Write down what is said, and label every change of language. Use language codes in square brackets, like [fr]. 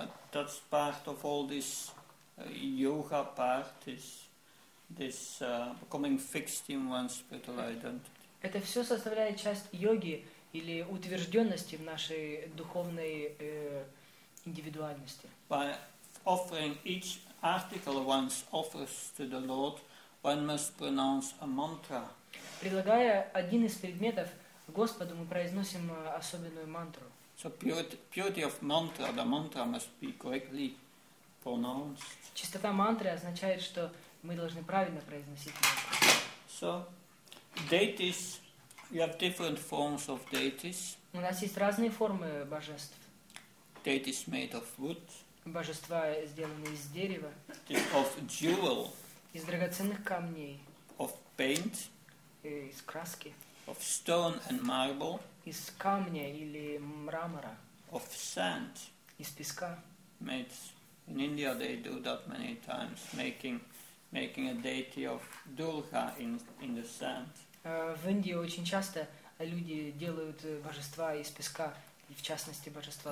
[en] That's part of all this yoga part is this becoming fixed in one's spiritual identity. [ru] Это все составляет часть йоги. Или утвержденности в нашей духовной индивидуальности. [en] By offering each article one offers to the Lord, one must pronounce a mantra. [ru] Предлагая один из предметов Господу, мы произносим особенную мантру. [en] So purity of mantra, the mantra must be correctly pronounced. [ru] Чистота мантры означает, что мы должны правильно произносить мантру. [en] So, deities. We have different forms of deities. [ru] У нас есть разные формы божеств. [en] Deities made of wood. [ru] Божества сделаны из дерева. [en] Of jewel. [ru] Из драгоценных камней. [en] Of paint. [ru] Из краски. [en] Of stone and marble. [ru] Из камня или мрамора. [en] Of sand. [ru] Из песка. [en] Made in India, they do that many times, making a deity of Durga in the sand. [ru] В Индии очень часто люди делают божества из песка, и в частности божества.